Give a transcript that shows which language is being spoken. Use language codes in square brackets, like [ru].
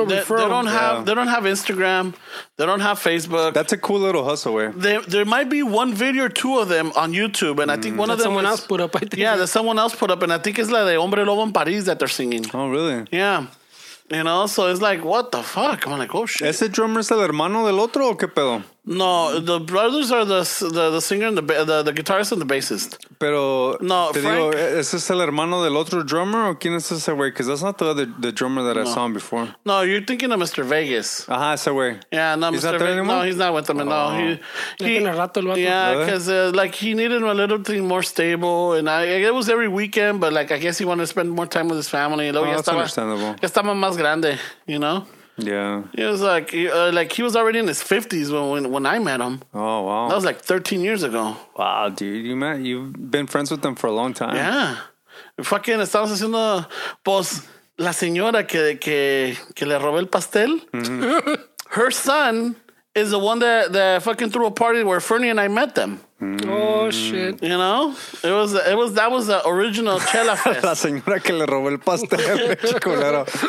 [en] They don't have Instagram. They don't have Facebook. That's a cool little hustle wear. There might be one video or two of them on YouTube, and I think one of them... that someone else put up, and I think it's like the Hombre Lobo en París that they're singing. Oh, really? Yeah. You know, so it's like, what the fuck? I'm like, oh, shit. [es] ¿Ese drummer es el hermano del otro o qué pedo? [en] No, the brothers are the singer and the guitarist and the bassist. [es] Pero, no, te Frank, digo, ¿ese es el hermano del otro drummer o quién es ese güey? [en] Because that's not the drummer that I saw him before. No, you're thinking of Mr. Vegas. [es] Ajá, ese güey. [en] Yeah, no, he's not with them. No, because he needed a little thing more stable. And it was every weekend, but like, I guess he wanted to spend more time with his family. Oh, that's understandable. [es] Estaba más grande, [en] you know? Yeah. He was like he was already in his 50s when I met him. Oh, wow. That was like 13 years ago. Wow, dude. You've been friends with him for a long time. Yeah. [es] Fucking, estamos haciendo, pues, la señora que le robé el pastel. [en] Her son is the one that fucking threw a party where Fernie and I met them. Mm. Oh shit! You know, that was the original Chela Fest. [es] La señora que le robó el pastel, chicolero.